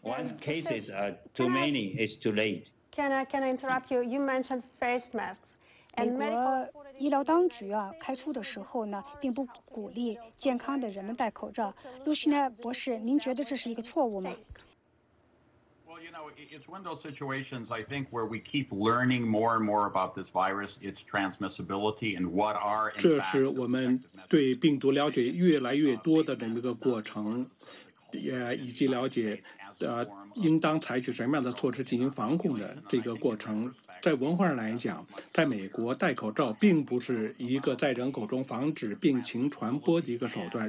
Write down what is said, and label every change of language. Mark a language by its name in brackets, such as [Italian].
[English] Once cases are too many, it's too late. Can I interrupt you? You mentioned face masks. [Chinese] 美国医疗当局啊，开出的时候呢，并不鼓励健康的人们戴口罩。露西奈博士，您觉得这是一个错误吗？ [English] It's one of those situations, I think, where we keep learning more and more about this virus, its transmissibility, and what are. [Chinese] 这是我们对病毒了解越来越多的这么一个过程，以及了解应当采取什么样的措施进行防控的这个过程。在文化上来讲，在美国戴口罩并不是一个在人口中防止病情传播的一个手段。